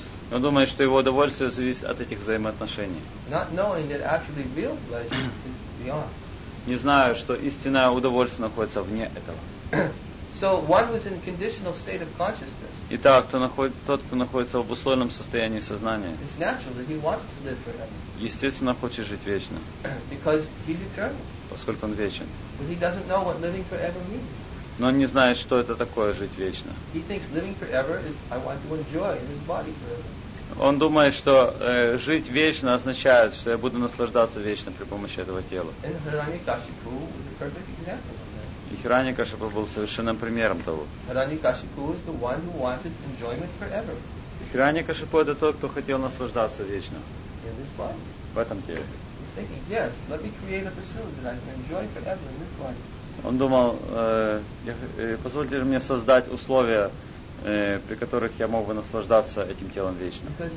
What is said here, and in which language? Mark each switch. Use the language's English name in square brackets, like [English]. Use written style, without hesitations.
[Russian] Он думает, что его удовольствие зависит от этих взаимоотношений. [English] Not knowing that actually real pleasure is beyond. [Russian] Не зная, что истинное удовольствие находится вне этого. [English] So one who's in a conditional state of consciousness. [Russian] Итак, тот, кто находится в обусловленном состоянии сознания. [English] It's natural that he wants to live forever. [Russian] Естественно, хочет жить вечно. [English] Because he's eternal. [Russian] Поскольку он вечен. [English] But he doesn't know what living forever means. [Russian] Но он не знает, что это такое жить вечно. [English] He thinks living forever is I want to enjoy his body forever. [Russian] Он думает, что жить вечно означает, что я буду наслаждаться вечно при помощи этого тела. [English] And Hiranyakashipu was a perfect example of that. [Russian] И Хираньякашипу был совершенным примером того. [English] Hiranyakashipu is the one who wanted enjoyment forever. [Russian] Хираньякашипу это тот, кто хотел наслаждаться вечно. [English] In this body. [Russian] В этом теле. [English] He's thinking, yes, let me create a facility that I can enjoy forever in this body. [Russian] Он думал, позвольте мне создать условия, при которых я мог бы наслаждаться этим телом вечно.